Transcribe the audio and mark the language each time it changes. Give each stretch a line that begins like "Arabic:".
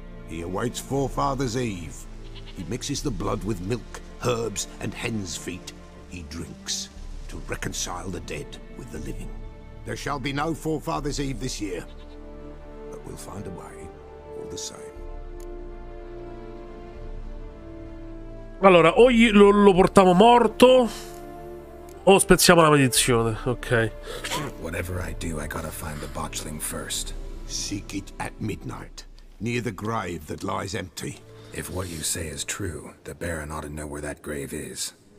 English: He awaits Forefather's Eve. He mixes the blood with milk, herbs, and hen's feet. He drinks to reconcile the dead with the living. There shall be no Forefather's Eve this year, but we'll find a way all the same.
Italian: Allora, o lo portiamo morto o spezziamo la maledizione.
English: Ok. Whatever I do, I gotta find the botchling first. Seek it at midnight, near the grave that lies empty. If what you say is true, the Baron ought to know where that grave is.